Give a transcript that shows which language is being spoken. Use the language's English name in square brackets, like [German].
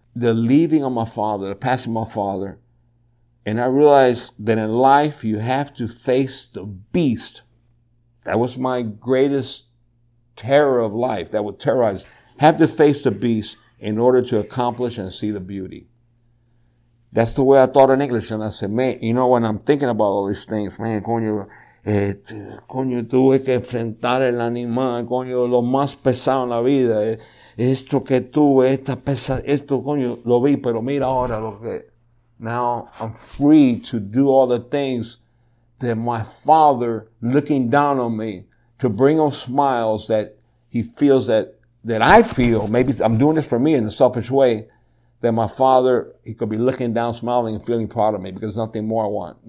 [English] The leaving of my father, the passing of my father. And I realized that in life, you have to face the beast. That was my greatest terror of life. That would terrorize. Have to face the beast in order to accomplish and see the beauty. That's the way I thought in English. And I said, man, you know, when I'm thinking about all these things, man, coño, [Spanish] Coño, tuve que enfrentar el animal, coño, lo más pesado en la vida. Esto que tuve, esta pesa, esto, coño, lo vi, pero mira ahora lo que... [English] Now I'm free to do all the things that my father looking down on me to bring him smiles that he feels that I feel, maybe I'm doing this for me in a selfish way, that my father, he could be looking down, smiling, and feeling proud of me because there's nothing more I want.